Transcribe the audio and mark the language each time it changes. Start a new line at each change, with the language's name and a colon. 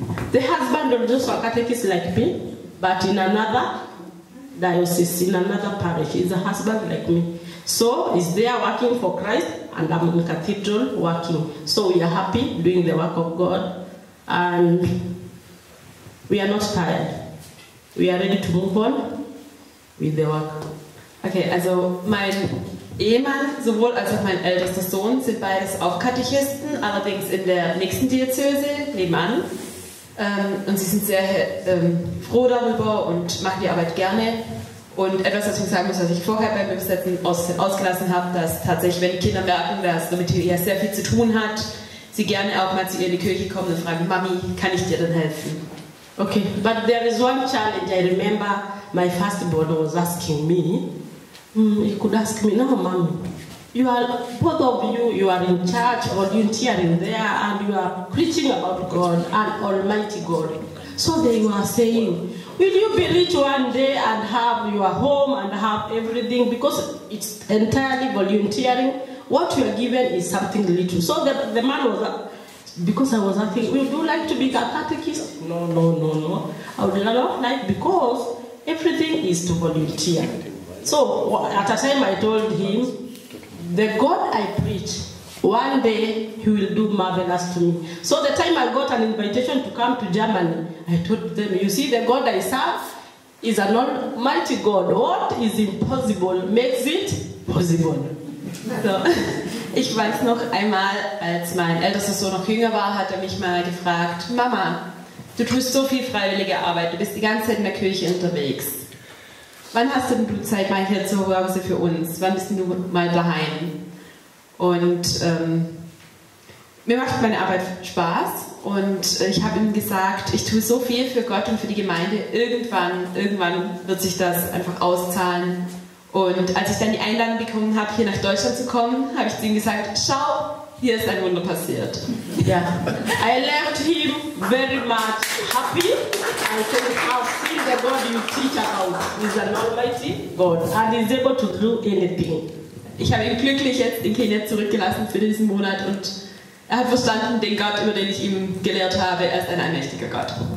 English: The husband of those catechists like me, but in another diocese, in another parish, is a husband like me. So he's there working for Christ, and I'm in the cathedral working. So we are happy doing the work of God, and we are not tired. We are ready to move on with the work.
German: Okay, also mein Ehemann, sowohl als auch mein ältester Sohn, sind beides auch Katechisten, allerdings in der nächsten Diözese, nebenan. Und sie sind sehr froh darüber und machen die Arbeit gerne. Und etwas, was ich sagen muss, was ich vorher beim Übersetzen ausgelassen habe, dass tatsächlich, wenn Kinder merken, dass damit hier sehr viel zu tun hat, sie gerne auch mal zu ihr in die Kirche kommen und fragen, Mami, kann ich dir dann helfen?
English: Okay, but there is one challenge, I remember my firstborn was asking me, you could ask me, no, Mommy, you are, both of you, you are in church, volunteering there, and you are preaching about God and Almighty God. So they were saying, will you be rich one day and have your home and have everything? Because it's entirely volunteering. What you are given is something little. So the man was, because I was asking, would you like to be a catechist? No, no, no, no. I would not like, because everything is to volunteer. So, at a time I told him, the God I preach, one day he will do marvelous to me. So the time I got an invitation to come to Germany, I told them, you see, the God I serve is an almighty God. What is impossible makes it possible. So.
German: Ich weiß noch einmal, als mein ältester Sohn noch jünger war, hat er mich mal gefragt, Mama, du tust so viel freiwillige Arbeit, du bist die ganze Zeit in der Kirche unterwegs. Wann hast denn du Zeit, mal hier zu Hause für uns? Wann bist du mal daheim? Und mir macht meine Arbeit Spaß und ich habe ihm gesagt, ich tue so viel für Gott und für die Gemeinde, irgendwann wird sich das einfach auszahlen. Und als ich dann die Einladung bekommen habe, hier nach Deutschland zu kommen, habe ich zu ihm gesagt, schau, hier ist ein Wunder passiert. Ja.
English: I left him very much happy. I said, how still the God you teach about is an almighty God. And he's able to do anything.
German: Ich habe ihn glücklich jetzt in Kenia zurückgelassen für diesen Monat und er hat verstanden, den Gott, über den ich ihm gelehrt habe, er ist ein allmächtiger Gott.